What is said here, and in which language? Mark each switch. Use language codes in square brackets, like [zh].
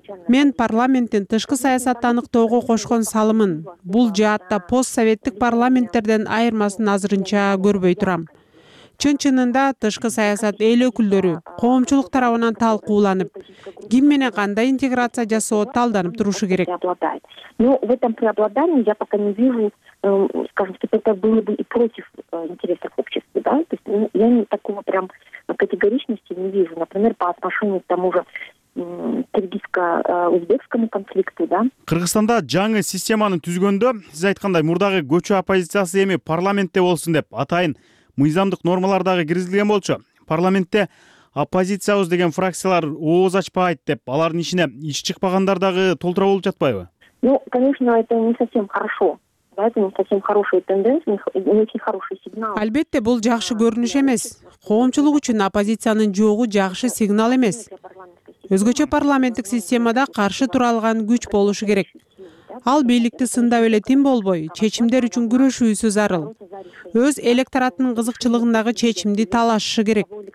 [ky] Мен парламенттин тышкы саясатты аныктоого кошкон салымын, бул жаатта постсоветтик парламенттерден айырмасын азырынча көрбөй турам. Чын чынында тышкы саясат эл өкүлдөрү, коомчулук тарабынан талкууланып, ким менен кандай интеграция жасоо талданып турушу керек. [ru] Но в этом преобладании я пока не вижу, скажем, что это было бы и против интересов общества, да? То есть я не такого прям категоричности не вижу. Например, по отношению к тому же кыргызско-узбекскому конфликту, да? [ky] Кыргызстанда жаңы системаны түзгөндө, сиз айткандай, мурдагы көчө оппозициясы эми парламентте болсун деп атайын мыйзамдык нормалар дагы киргизилген болчу. Парламентте оппозициябыз деген фракциялар ооз ачпайт деп, алардын ишине иши чыкпагандар дагы толтура болуп жатпайбы? [ru] Ну, конечно, это не совсем хорошо. Да, это не совсем хорошая тенденция, не очень хороший сигнал. [ky] Албетте, бул жакшы көрүнүш эмес. Коомчулук үчүн оппозициянын жоогу жакшы сигнал эмес. Өзгөчө парламенттик системада каршы тура алган күч болушу керек. Ал бийликти сындап эле тим болбой, чечимдер үчүн күрөшүүсү зарыл. Өз электоратынын кызыкчылыгындагы чечимди талашышы керек.